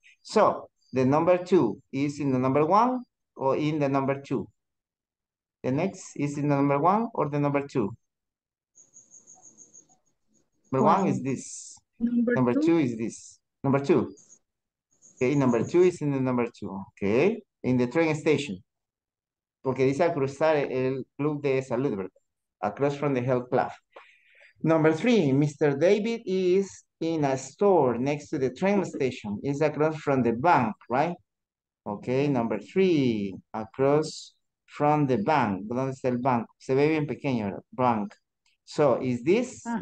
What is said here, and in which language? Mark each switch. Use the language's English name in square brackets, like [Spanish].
[English] So, the number two is in the number one or in the number two? The next is in the number one or the number two? Number one is this. Number two is this. Number two. Okay, number two is in the number two. Okay, in the train station. [Spanish] Porque dice al cruzar el club de salud, ¿verdad? [English] Across from the health club. Number three, Mr. David is in a store next to the train station. It's across from the bank, right? Okay, number three, across from the bank. [Spanish] ¿Dónde está el banco? Se ve bien pequeño, ¿verdad? Bank. [English] So is this uh-huh.